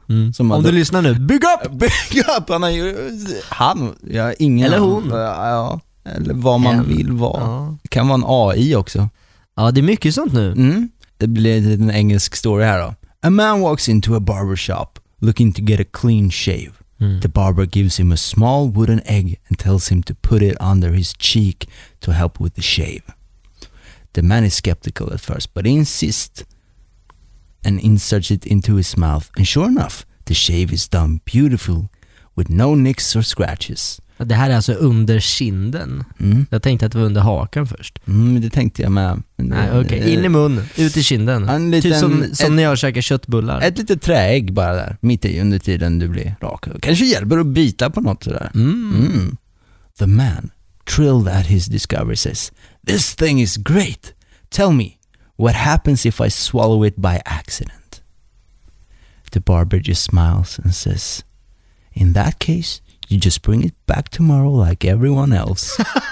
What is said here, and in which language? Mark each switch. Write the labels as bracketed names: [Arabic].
[Swedish] Mm. Som om du lyssnar nu, bygg upp! Bygg upp! Han har ju... Han, ja, ingen. Eller hon. Ja, eller vad man vill vara. Ja. Det kan vara en AI också. Ja, det är mycket sånt nu. Mm. Det blir en engelsk story här då. [English] A man walks into a barbershop looking to get a clean shave. Mm. The barber gives him a small wooden egg and tells him to put it under his cheek to help with the shave. The man is skeptical at first, but insists and inserts it into his mouth. And sure enough, the shave is done beautiful with no nicks or scratches. [Swedish] Det här är alltså under kinden. Jag tänkte att det var under hakan först. Mm, det tänkte jag med. Okej, in i mun, ut i kinden. Liten, typ som när jag käkar köttbullar. Ett litet träägg bara där, mitt i under tiden du blir rak. Kanske hjälper att bita på något sådär. Mm. [English] The man, thrilled at his discovery, says, "This thing is great. Tell me, what happens if I swallow it by accident?" The barber just smiles and says, "In that case, you just bring it back tomorrow like everyone else."